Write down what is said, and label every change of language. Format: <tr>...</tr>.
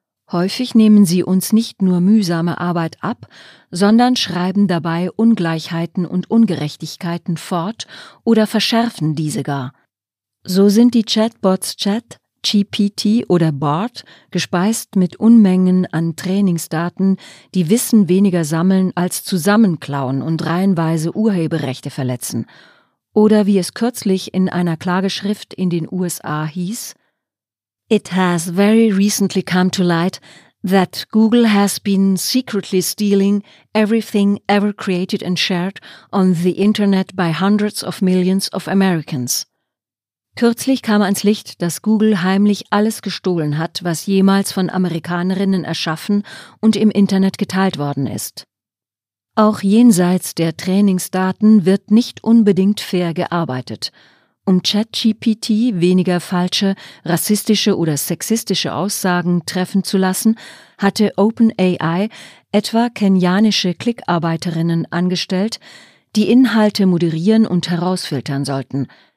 <de>Häufig nehmen sie uns nicht nur mühsame Arbeit ab, sondern schreiben dabei Ungleichheiten und Ungerechtigkeiten fort oder verschärfen diese gar. So sind die Chatbots Chat, GPT oder Bard gespeist mit Unmengen an Trainingsdaten, die Wissen weniger sammeln als zusammenklauen und reihenweise Urheberrechte verletzen. Oder wie es kürzlich in einer Klageschrift in den USA hieß:</de> <en>It has very recently come to light that Google has been secretly stealing everything ever created and shared on the Internet by hundreds of millions of Americans.</en> <de>Kürzlich kam ans Licht, dass Google heimlich alles gestohlen hat, was jemals von Amerikanerinnen erschaffen und im Internet geteilt worden ist. Auch jenseits der Trainingsdaten wird nicht unbedingt fair gearbeitet. Um ChatGPT weniger falsche, rassistische oder sexistische Aussagen treffen zu lassen, hatte OpenAI etwa kenianische Klickarbeiterinnen angestellt, die Inhalte moderieren und herausfiltern sollten.</de>